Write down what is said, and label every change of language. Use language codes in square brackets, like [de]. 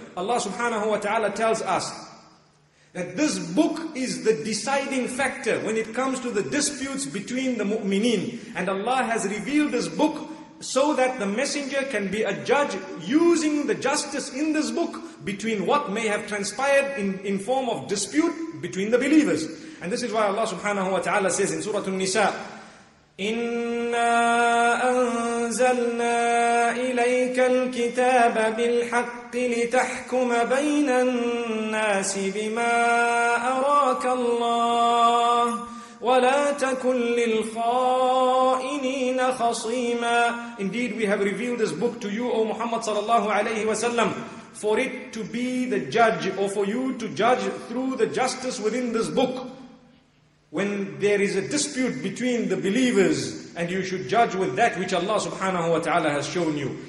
[en] Allah subhanahu wa ta'ala tells us that this book is the deciding factor when it comes to the disputes between the mu'mineen. And Allah has revealed this book so that the messenger can be a judge using the justice in this book between what may have transpired in form of dispute between the believers. And this is why Allah subhanahu wa ta'ala says in Surah An-Nisa, [ar] إِنَّا أَنزَلْنَا إِلَيْكَ الْكِتَابَ بِالْحَقِّ لِتَحْكُمَ بَيْنَ النَّاسِ بِمَا أَرَاكَ اللَّهِ وَلَا تَكُنْ لِلْخَائِنِينَ خَصِيمًا. [en] Indeed, we have revealed this book to you, O Muhammad sallallahu alayhi wa sallam, for it to be the judge, or for you to judge through the justice within this book. When there is a dispute between the believers, and you should judge with that which Allah subhanahu wa ta'ala has shown you.